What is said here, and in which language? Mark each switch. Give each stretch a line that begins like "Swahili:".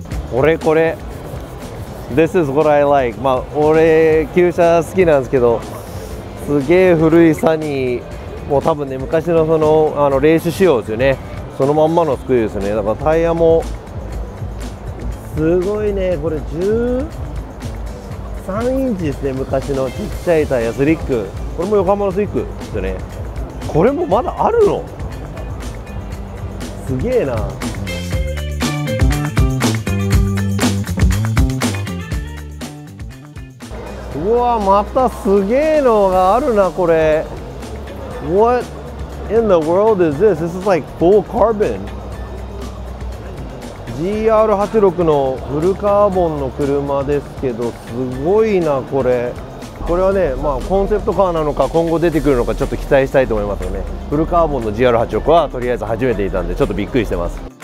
Japanese: これこれ、
English: This is what I like。
Japanese: まあ俺旧車好きなんですけど、すげえ古いサニー、もう多分ね昔のその、 あのレース仕様ですよね、そのまんまの作りですね。だからタイヤもすごいね、これ13インチですね、昔のちっちゃいタイヤ、スリック、これも横浜のスリックですよね。これもまだあるの、すげえな。うわ、またすげえのがあるな、これ。
English: What in the world is this? This is like full carbon.
Japanese: GR86 のフルカーボンの車ですけど、すごいな、これ。これはね、まあ、コンセプトカーなのか今後出てくるのかちょっと期待したいと思いますよね。フルカーボンの GR86 はとりあえず初めていたんでちょっとびっくりしてます。